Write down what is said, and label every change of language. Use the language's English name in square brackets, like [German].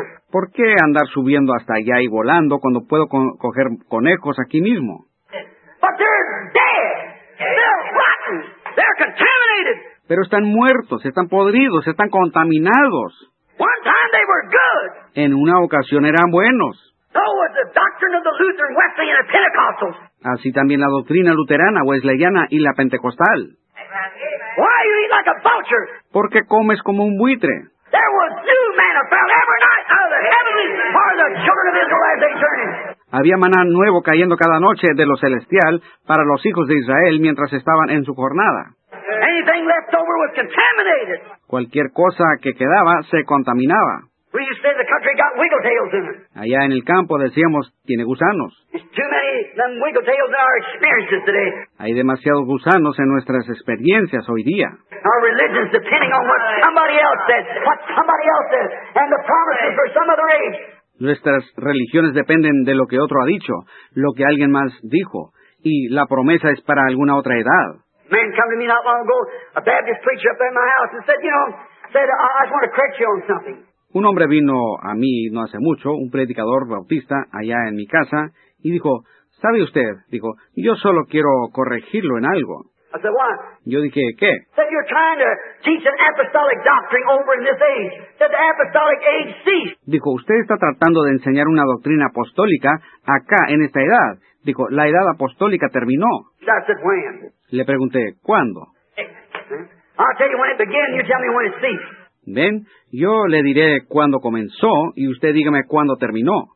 [Spanish] ¿Por qué andar subiendo hasta allá y volando cuando puedo coger conejos aquí mismo? [English] But they're dead. They're rotten. They're contaminated. [Spanish] Pero están muertos, están podridos, están contaminados. [English] One time they were good. [Spanish] En una ocasión eran buenos. [English] So was the doctrine of the Lutheran, Wesleyan, and Pentecostals. [Spanish] Así también la doctrina luterana, wesleyana y la pentecostal. [English] Why you eat like a vulture? [Spanish] ¿Por qué comes como un buitre? [English] There was new manna found every night out of the heavenly part of the children of Israel as they journeyed. [Spanish] Había maná nuevo cayendo cada noche de lo celestial para los hijos de Israel mientras estaban en su jornada. [English] Anything left over was contaminated. [Spanish] Cualquier cosa que quedaba se contaminaba. [English] We used to say the country got wiggle tails in it. [Spanish] Allá en el campo decíamos, tiene gusanos. [English] There's too many them wiggle tails in our experiences today. [Spanish] Hay demasiados gusanos en nuestras experiencias hoy día. [English] Our religion's depending on what somebody else says, and the promises for some other age. [Spanish] Nuestras religiones dependen de lo que otro ha dicho, lo que alguien más dijo, y la promesa es para alguna otra edad. [English] A man came to me not long ago, a Baptist preacher up in my house, and said, you know, I just want to correct you on something. [Spanish] Un hombre vino a mí no hace mucho, un predicador bautista allá en mi casa, y dijo, ¿sabe usted? Dijo, yo solo quiero corregirlo en algo. [English] I said, what? [Spanish] Yo dije, ¿qué? [English] Said, you're trying to teach an apostolic doctrine over in this age. Said, the apostolic age ceased. [Spanish] Dijo, usted está tratando de enseñar una doctrina apostólica acá en esta edad. Dijo, la edad apostólica terminó. [English] I said, when? [Spanish] Le pregunté, ¿cuándo? [English] I'll tell you when it began, you tell me when it ceased. [Spanish] Ven, yo le diré cuándo comenzó y usted dígame cuándo terminó.